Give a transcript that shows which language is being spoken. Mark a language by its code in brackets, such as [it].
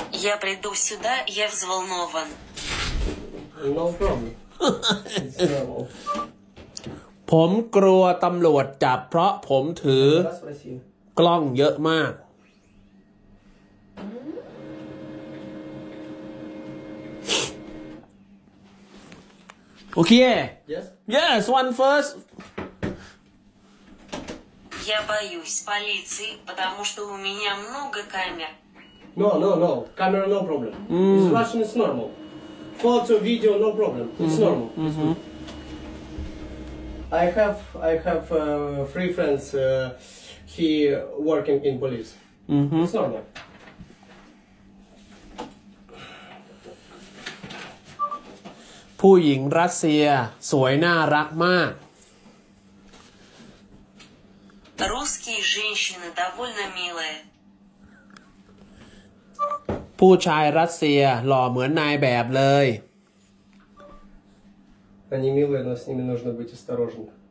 [ru] Ya приду сюда, я взволнован. [en] No problem. [th] ผมกลัวตำรวจจับเพราะผมถือกล้องเยอะมากโอเค [en] yes one first [ru] я боюсь полиции потому что у меня много камер [en] no camera no problem it's Russian it's normal photo video no problem it's normal I have three friends. He working in police. It's normal. [th] ผู้หญิงรัสเซียสวยน่ารักมาก [ru] Русские женщины довольно милые. [th] ผู้ชายรัสเซียหล่อเหมือนนายแบบเลย [ru] Они милые, но с ними нужно быть осторожным.